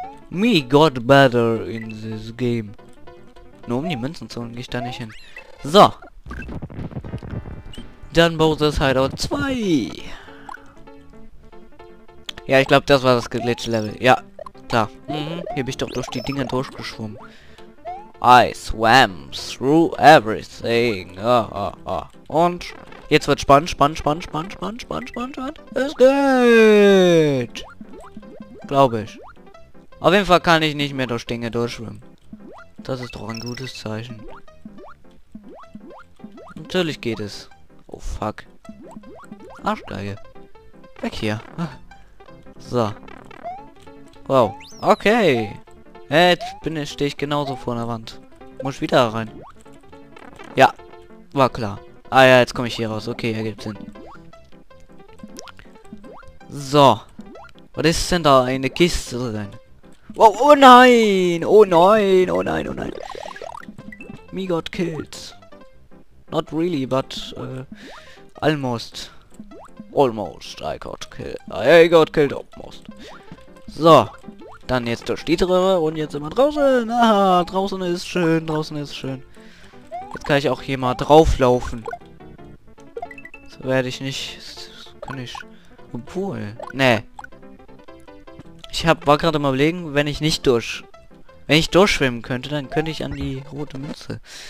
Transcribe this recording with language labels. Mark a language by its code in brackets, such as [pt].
[en] Me got better in this game. [de] Nur um die Münzen zu holen, gehe ich da nicht hin. So. Dann Bowser's Hideout 2. Ja, ich glaube, das war das geglitchte Level. Ja. Klar, hier bin ich doch durch die Dinger durchgeschwommen. [en] I swam through everything. [de] Und jetzt wird spannend, spannend, spannend, spannend, spannend, spannend, spannend, spannend. Es geht. Glaube ich. Auf jeden Fall kann ich nicht mehr durch Dinge durchschwimmen. Das ist doch ein gutes Zeichen. Natürlich geht es. Oh fuck. Arschgeige. Weg hier. So. Wow. Okay. Jetzt stehe ich genauso vor der Wand. Muss ich wieder rein? Ja. War klar. Ah ja, jetzt komme ich hier raus. Okay, ergibt Sinn. So. Was ist denn da? Eine Kiste drin? Wow, oh nein! Oh nein, oh nein, oh nein. [en] Me got killed. Not really, but... almost. Almost. I got killed. I got killed almost. So. [de] Dann jetzt durch die Röhre und jetzt immer draußen. Ah, draußen ist schön, draußen ist schön. Jetzt kann ich auch hier mal drauflaufen. So werde ich nicht. Das kann ich. Obwohl. Nee. Ich war gerade mal überlegen, wenn ich nicht durch. Wenn ich durchschwimmen könnte, dann könnte ich an die rote Münze.